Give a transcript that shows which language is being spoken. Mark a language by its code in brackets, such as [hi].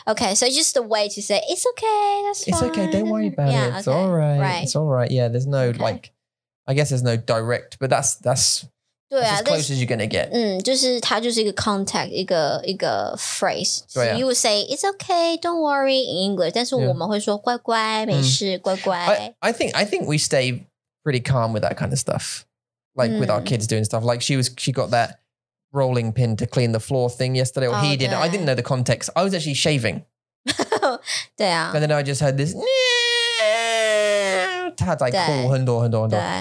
[en] Okay, so it's just the way to say, it's okay, that's fine. It's okay, don't worry about it. It's all right. It's all right. Yeah, there's no, like, I guess there's no direct, but that's as close as you're going to get. [zh] 就是它就是一个 contact, 一个 phrase. [en] So you would say, it's okay, don't worry in English. [zh] 但是我们会说乖乖,没事,乖乖。 [en] I think we stay pretty calm with that kind of stuff. Like with our kids doing stuff. Like she got that. Rolling pin to clean the floor thing yesterday, or he did. I didn't know the context. I was actually shaving. [zh] 对啊. [en] And then I just heard this, it had like cool, [zh] 很多很多很多.